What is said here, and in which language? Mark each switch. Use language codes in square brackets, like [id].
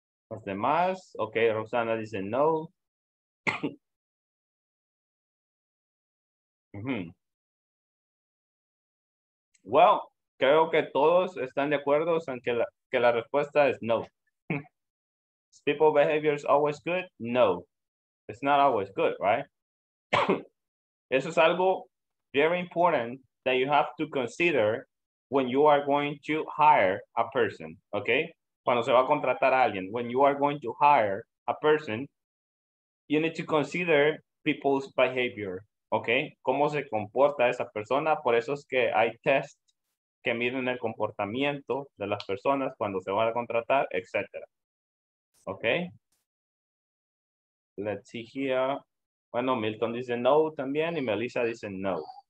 [es] Los demás. Okay, Rosana dice no. Well, creo que todos están de acuerdo en que la respuesta es no. [en] Is people behavior is always good? No. It's not always good, right? [es] Eso es algo [en] very important that you have to consider when you are going to hire a person, okay? [es] Cuando se va a contratar a alguien. [en] When you are going to hire a person, you need to consider people's behavior, okay? [es] ¿Cómo se comporta esa persona? Por eso es que hay test que miden el comportamiento de las personas cuando se van a contratar, etc. Okay? [en] Let's see here. [es] Bueno, Milton dice no también y Melissa dice no.